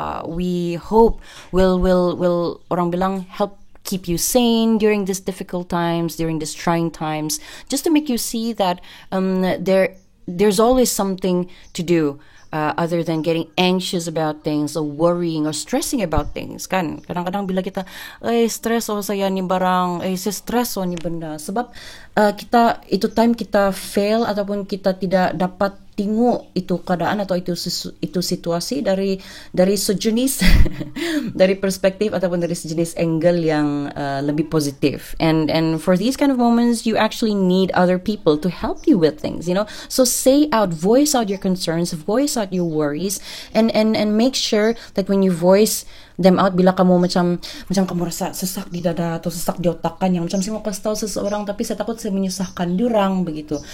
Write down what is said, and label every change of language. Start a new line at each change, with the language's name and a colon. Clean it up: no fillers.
English: we hope will
Malay: orang bilang
English: help keep you sane during these difficult times, during these trying times, just to make you see that there's always something to do. Other than getting anxious about things or worrying or stressing about things, kan?
Malay: Kadang-kadang bila kita, stress oh saya ni barang, saya stress oh ni benda. Sebab kita, itu time kita fail ataupun kita tidak dapat tengok itu keadaan atau itu situasi dari sejenis, dari perspektif ataupun dari sejenis angle yang lebih positif.
English: And for these kind of moments, you actually need other people to help you with things, you know. So say out, voice out your concerns, voice out your worries, and make sure that when you voice them out,
Malay: bila kamu macam kamu rasa sesak di dada atau sesak di otak kan, yang macam saya mau kasih tahu seseorang tapi saya takut saya menyusahkan diorang, begitu.